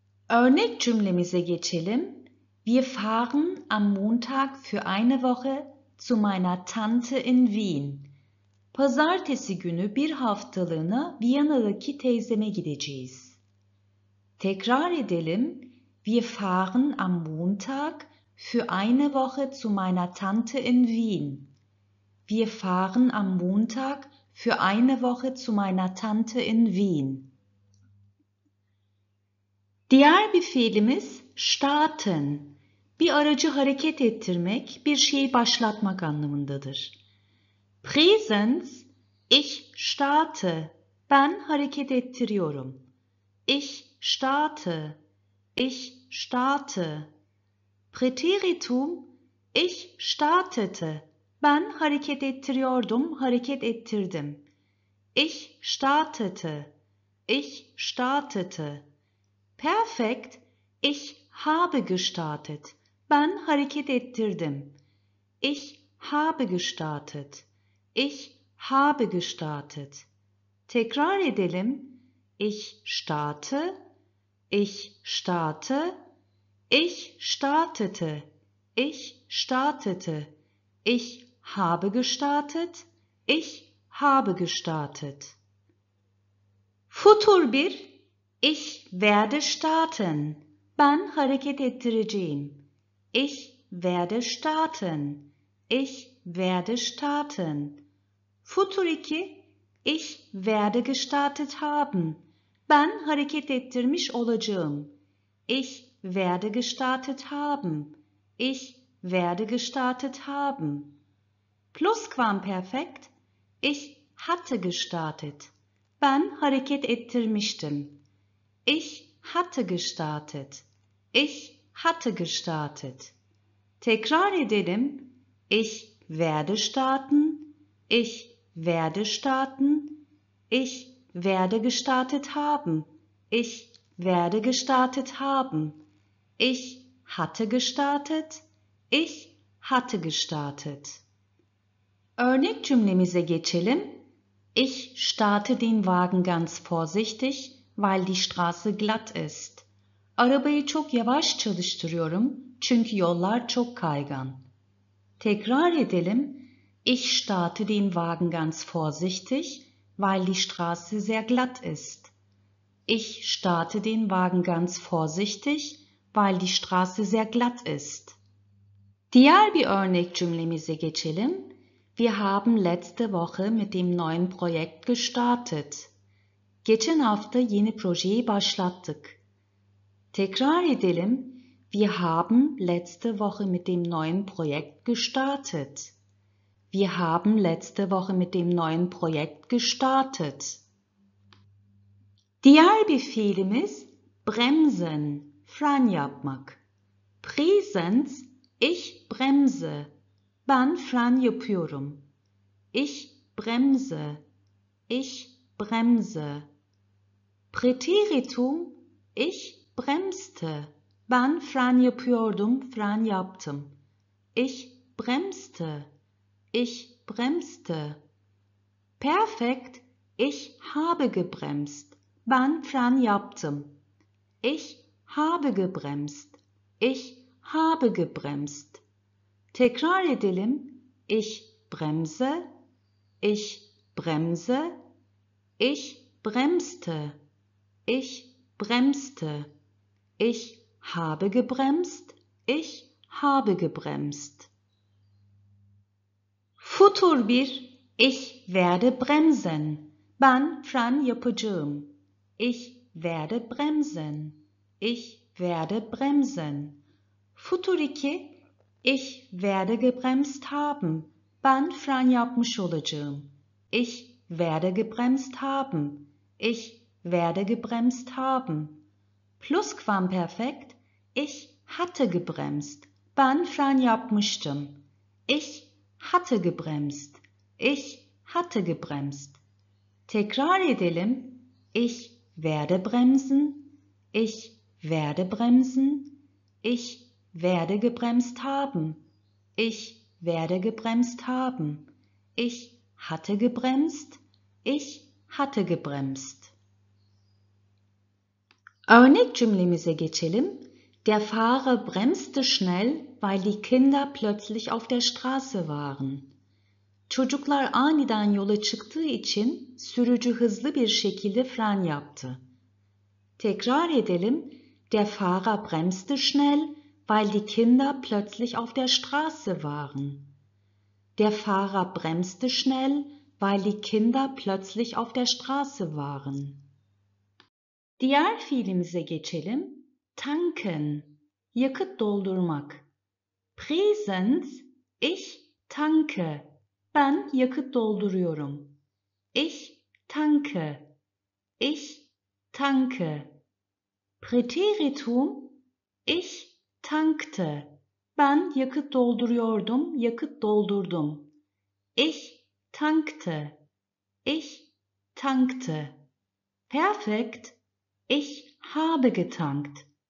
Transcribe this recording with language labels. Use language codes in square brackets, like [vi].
[tr] Örnek cümlemize geçelim. [de] Wir fahren am Montag für eine Woche zu meiner Tante in Wien. [tr] Pazartesi günü bir haftalığına Viyana'daki teyzeme gideceğiz. Tekrar edelim. [de] Wir fahren am Montag für eine Woche zu meiner Tante in Wien. Wir fahren am Montag für eine Woche zu meiner Tante in Wien. [tr] Diğer bir fiilimiz starten. Bir aracı hareket ettirmek, bir şeyi başlatmak anlamındadır. [de] Präsens, ich starte. [tr] Ben hareket ettiriyorum. [de] Ich starte. Ich starte. Präteritum, ich startete. [tr] Ben hareket ettiriyordum, hareket ettirdim. [de] Ich startete. Ich startete. Perfekt, ich habe gestartet. [tr] Ben hareket ettirdim. [de] Ich habe gestartet. Ich habe gestartet. [tr] Tekrar edelim. [de] Ich starte. Ich starte. Ich startete. Ich startete. Ich habe gestartet. Ich habe gestartet. Futur bir. Ich werde starten. [tr] Ben hareket ettireceğim. [de] Ich werde starten. Ich werde starten. Futur iki. Ich werde gestartet haben. [tr] Ben hareket ettirmiş olacağım. [de] Ich werde gestartet haben. Ich werde gestartet haben. Plusquamperfekt. Ich hatte gestartet. [tr] Ben hareket ettirmiştim. [de] Ich hatte gestartet. Ich hatte gestartet. [tr] Tekrar edelim. [de] Ich werde starten. Ich werde starten. Ich werde gestartet haben. Ich werde gestartet haben. Ich hatte gestartet. Ich hatte gestartet. [tr] Örnek cümlemize geçelim. [de] Ich starte den Wagen ganz vorsichtig, weil die Straße glatt ist. [tr] Arabayı çok yavaş çalıştırıyorum, çünkü yollar çok kaygan. Tekrar edelim. [de] Ich starte den Wagen ganz vorsichtig, weil die Straße sehr glatt ist. Ich starte den Wagen ganz vorsichtig, weil die Straße sehr glatt ist. [tr] Diğer bir örnek cümlemize geçelim. [de] Wir haben letzte Woche mit dem neuen Projekt gestartet. [tr] Geçen hafta yeni projeyi başlattık. Tekrar edelim. [de] Wir haben letzte Woche mit dem neuen Projekt gestartet. Wir haben letzte Woche mit dem neuen Projekt gestartet. [tr] Diğer bir fiilimiz bremsen, fren yapmak. [de] Präsens, ich bremse. [tr] Ben fren yapıyorum. [de] Ich bremse. Ich bremse. Präteritum, ich bremste. [tr] Ben fren yapıyordum, fren yaptım. [de] Ich bremste. Ich bremste. Perfekt, ich habe gebremst. [tr] Ben fren yaptım. [de] Ich habe gebremst. Ich habe gebremst. [tr] Tekrar edelim. [de] Ich bremse. Ich bremse. Ich bremste. Ich bremste. Ich habe gebremst. Ich habe gebremst. Futur bir. Ich werde bremsen. [tr] Ben fren yapacağım. [de] Ich werde bremsen. Ich werde bremsen. Futur iki. Ich werde gebremst haben. [tr] Ben fren yapmış olacağım. [de] Ich werde gebremst haben. Ich werde gebremst haben. Plusquamperfekt. Ich hatte gebremst. [tr] Ben fren yapmıştım. [de] Ich hatte gebremst. Ich hatte gebremst. [tr] Tekrar edelim. [de] Ich werde bremsen. Ich werde bremsen. Ich werde gebremst haben. Ich werde gebremst haben. Ich hatte gebremst. Ich hatte gebremst. [tr] Örnek cümlemize geçelim. [de] Der Fahrer bremste schnell, weil die Kinder plötzlich auf der Straße waren. [tr] Çocuklar aniden yola çıktığı için sürücü hızlı bir şekilde fren yaptı. Tekrar edelim. [de] Der Fahrer bremste schnell, weil die Kinder plötzlich auf der Straße waren. Der Fahrer bremste schnell, weil die Kinder plötzlich auf der Straße waren. [tr] Diğer fiilimize geçelim. Tanken, yakıt doldurmak. [de] Präsens, ich tanke. [tr] Ben yakıt dolduruyorum. [de] Ich tanke. Ich tanke. Präteritum, ich tankte. [tr] Ben yakıt dolduruyordum, yakıt doldurdum. [de] Ich tankte. Ich tankte. Perfekt, ich habe getankt.